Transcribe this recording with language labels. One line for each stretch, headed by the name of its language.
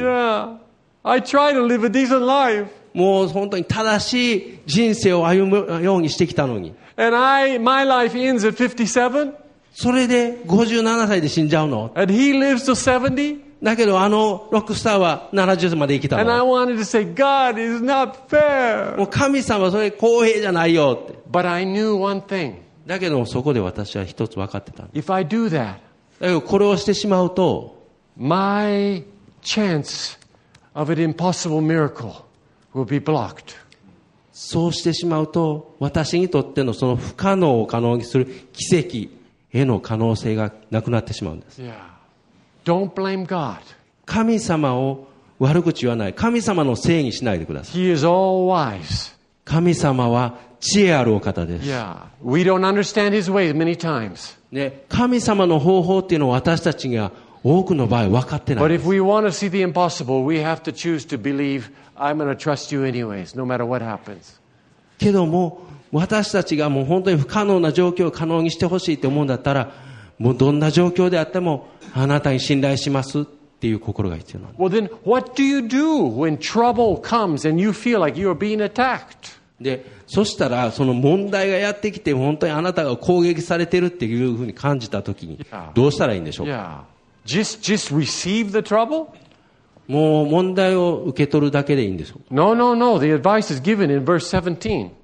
English: Yeah. I try to live a decent life.
Japanese: もう本当に正しい人生を歩むようにしてきたのに。
English: And my life ends at 57.
Japanese: それで57歳で死んじゃうの。
English: And he lives to 70.
Japanese: だけどあのロックスターは70歳まで生きたの。
English: And I wanted to say, God is not fair.
Japanese: もう神様それ公平じゃないよって。
English: But I knew one thing.
Japanese: だけどそこで私は一つ分かってた。
English: If I do that,
Japanese: だけどこれをしてしまうと、
English: my chance of an impossible miracle will be blocked.
Japanese: そうしてしまうと、私にとってのその不可能を可能にする奇跡への可能性がなくなってしまうんです。
English: Yeah. Don't blame God.
Japanese: 神様を悪口言わない。神様のせいにしないでください。
English: He is all wise.
Japanese: 神様は知恵あるお方です。
English: Yeah. We don't understand his ways many times.
Japanese: ね、神様の方法っていうのを私たちには多くの場合分かってないです。
English: But if we want to see the impossible, we have to choose to believe, I'm going to trust you anyways, no matter what happens.
Japanese: けども、私たちがもう本当に不可能な状況を可能にしてほしいと思うんだったら、もうどんな状況であってもあなたに信頼しますっていう心が必要なんです。
English: Well, then, what do you do when trouble comes and you feel like you're being attacked?
Japanese: で、そしたらその問題がやってきて本当にあなたが攻撃されてるっていうふうに感じたときにどうしたらいいんでしょうか。
English: Just receive the trouble?
Japanese: もう問題を受け取るだけでいいんでしょうか。
English: No. The advice is given in verse 17.